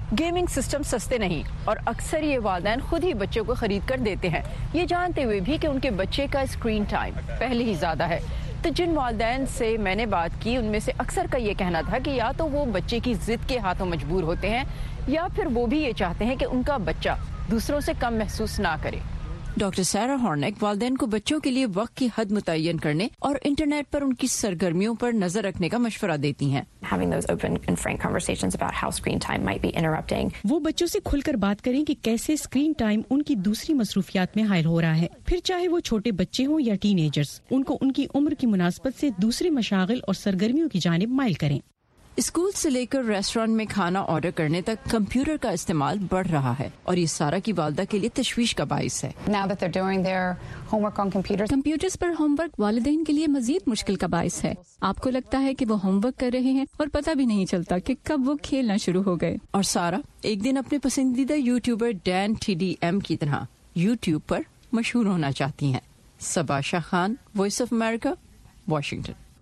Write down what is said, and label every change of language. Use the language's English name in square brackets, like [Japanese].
[Urdu] Gaming system سستے نہیں اور اکثر یہ والدین خود ہی بچوں کو خرید کر دیتے ہیں، یہ جانتے ہوئے بھی کہ ان کے بچے کا سکرین ٹائم پہلے ہی زیادہ ہے۔ تو جن والدین سے میں نے بات کی، ان میں سے اکثر کا یہ کہنا تھا کہ یا تو وہ بچے کی ضد کے ہاتھوں مجبور ہوتے ہیں، یا پھر وہ بھی یہ چاہتے ہیں کہ ان کا بچہ دوسروں سے کم محسوس نہ کرے۔ ڈاکٹر سارا ہارنیک والدین کو بچوں کے لیے وقت کی حد متعین کرنے اور انٹرنیٹ پر ان کی سرگرمیوں پر نظر رکھنے کا مشورہ دیتی ہیں۔ [English] Having those open and frank conversations about how screen time might be interrupting. [Urdu] وہ بچوں سے کھل کر بات کریں کہ کیسے سکرین ٹائم ان کی دوسری مصروفیات میں حائل ہو رہا ہے، پھر چاہے وہ چھوٹے بچے ہوں یا ٹین ایجرز، ان کو ان کی عمر کی مناسبت سے دوسرے مشاغل اور سرگرمیوں کی جانب مائل کریں۔ اسکول سے لے کر ریسٹورینٹ میں کھانا آرڈر کرنے تک کمپیوٹر کا استعمال بڑھ رہا ہے اور یہ سارا کی والدہ کے لیے تشویش کا باعث ہے۔ [English] Now that they're doing their homework on computers. [Urdu] Computers per home work والدین کے لیے مزید مشکل کا باعث ہے۔ آپ کو لگتا ہے کہ وہ ہوم ورک کر رہے ہیں اور پتہ بھی نہیں چلتا کہ کب وہ کھیلنا شروع ہو گئے۔ اور سارا ایک دن اپنے پسندیدہ یوٹیوبر ڈین ٹی ڈی ایم کی طرح یوٹیوب پر مشہور ہونا چاہتی ہیں۔ صبا شاہ Khan, voice of America, Washington.